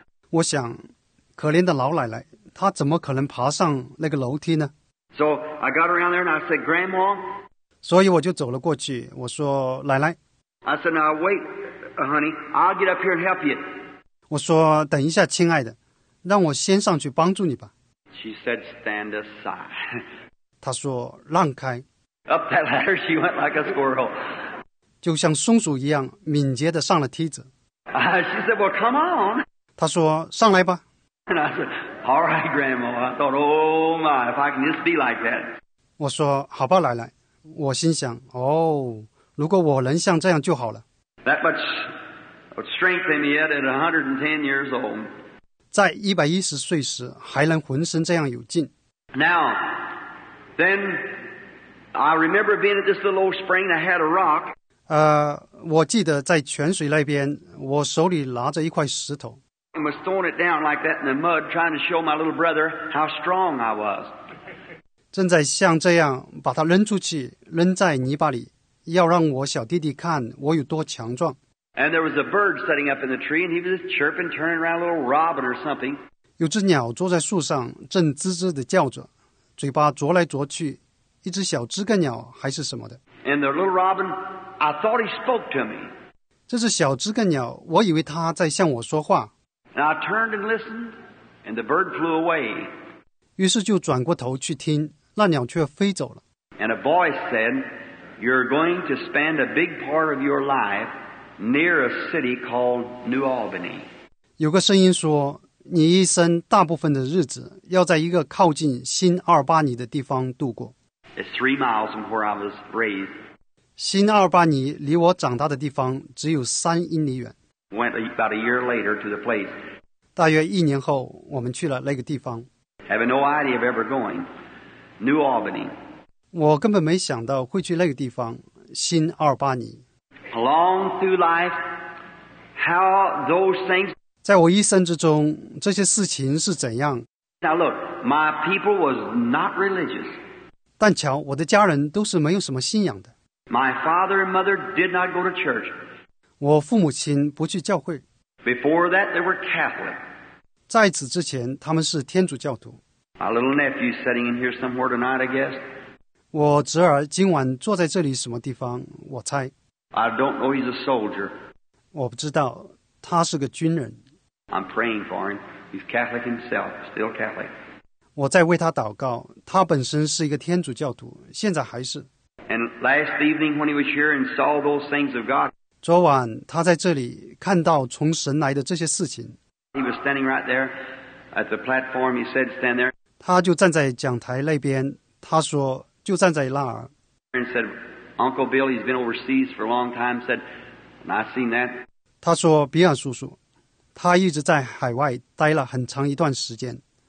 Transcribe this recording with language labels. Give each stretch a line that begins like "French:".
Chinese: 我想，可怜的老奶奶，她怎么可能爬上那个楼梯呢？
English: So I got around there and I said, Grandma.
Chinese: 所以我就走了过去，我说，奶奶。
English: I said, Now wait, honey, I'll get up here and help you.
Chinese: 我说，等一下，亲爱的，让我先上去帮助你吧。
English: She said, Stand aside.
Chinese: 他说：“让开。”
English: Up that ladder, she went like a squirrel.
Chinese: 就像松鼠一样，敏捷地上了梯子。
English: She said, "Well, come on."
Chinese: 他说：“上来吧。”
English: And I said, "All right, Grandma." I thought, "Oh my, if I can just be like that."
Chinese: 我说：“好吧，奶奶。” 我心想：“哦，如果我能像这样就好了。”
English: That much strength in me yet at 110 years old.
Chinese: 在110岁时还能浑身这样有劲。
English: Now. Then I remember being at this little old spring and I had a rock.
Chinese: 我记得在泉水那边，我手里拿着一块石头。
English: I was throwing it down like that in the mud, trying to show my little brother how strong I was.
Chinese: 正在像这样把它扔出去，扔在泥巴里，要让我小弟弟看我有多强壮。
English: And there was a bird sitting up in the tree and he was chirping, turning around a little robin or something.
Chinese: 有只鸟坐在树上，正吱吱地叫着。嘴巴啄来啄去，一只小知更鸟还是什么的。
English: And the little robin, I thought he spoke to me.
Chinese: 这是小知更鸟，我以为他在向我说话。
English: And I turned and listened, and the bird flew away.
Chinese: 于是就转过头去听，那鸟却飞走了。
English: And a voice said, "You're going to spend a big part of your life near a city called New Albany."
Chinese: 有个声音说。你一生大部分的日子要在一个靠近新阿尔巴尼的地方度过。
English: It's 3 miles from where I was raised.
Chinese: 新阿尔巴尼离我长大的地方只有3英里远。
English: Went about a year later to the place.
Chinese: 大约一年后，我们去了那个地方。
English: Having no idea of ever going, New Albany.
Chinese: 我根本没想到会去那个地方，新阿尔巴尼。
English: Along through life, how those things.
Chinese: 在我一生之中，这些事情是怎样？
English: Now look, my people was not religious.
Chinese: 但瞧，我的家人都是没有什么信仰的。
English: My father and mother did not go to church.
Chinese: 我父母亲不去教会。
English: Before that, they were Catholic.
Chinese: 在此之前，他们是天主教徒。
English: My little nephew sitting in here somewhere tonight, I guess.
Chinese: 我侄儿今晚坐在这里什么地方？我猜。
English: I don't know. He's a soldier.
Chinese: 我不知道，他是个军人。
English: I'm praying for him. He's Catholic himself, still Catholic.
Chinese: 我在为他祷告。他本身是一个天主教徒，现在还是。
English: And last evening, when he was here and saw those things of God.
Chinese: 昨晚他在这里看到从神来的这些事情。
English: He was standing right there at the platform. He said, "Stand there."
Chinese: 他就站在讲台那边。他说，就站在那儿。
English: And said, "Uncle Bill, he's been overseas for a long time." Said, "And I've seen that."
Chinese: 他说，比尔叔叔，他一直在海外待了很长一段时间。